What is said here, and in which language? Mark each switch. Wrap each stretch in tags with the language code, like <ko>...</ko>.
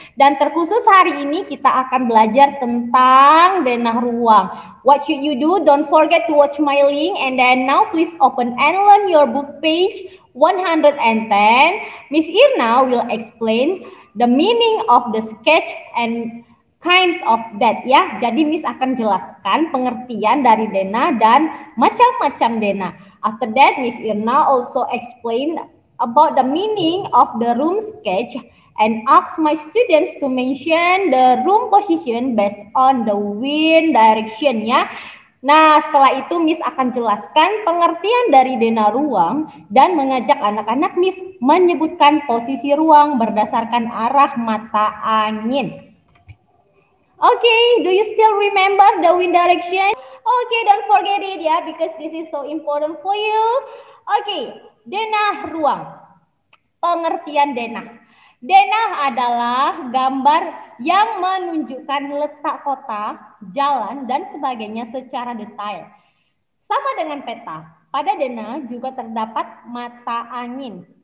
<id>Dan terkhusus hari ini kita akan belajar tentang Dena ruang.</id> <en>What should you do? Don't forget to watch my link, and then now please open and learn your book page 110. Miss Irna will explain the meaning of the sketch and kinds of that, ya.</en> <id>Jadi Miss akan jelaskan pengertian dari Dena dan macam-macam Dena.</id> <en>After that, Miss Irna also explain about the meaning of the room sketch and ask my students to mention the room position based on the wind direction, ya.</en> <id>Nah, setelah itu Miss akan jelaskan pengertian dari Dena ruang dan mengajak anak-anak Miss menyebutkan posisi ruang berdasarkan arah mata angin.</id> <en>Okay, do you still remember the wind direction? Okay, don't forget it, yeah, because this is so important for you.</en> <id>Okay, Dena ruang. Pengertian Dena. Dena adalah gambar yang menunjukkan letak kota, jalan, dan sebagainya secara detail. Sama dengan peta, pada Dena juga terdapat mata angin.</id>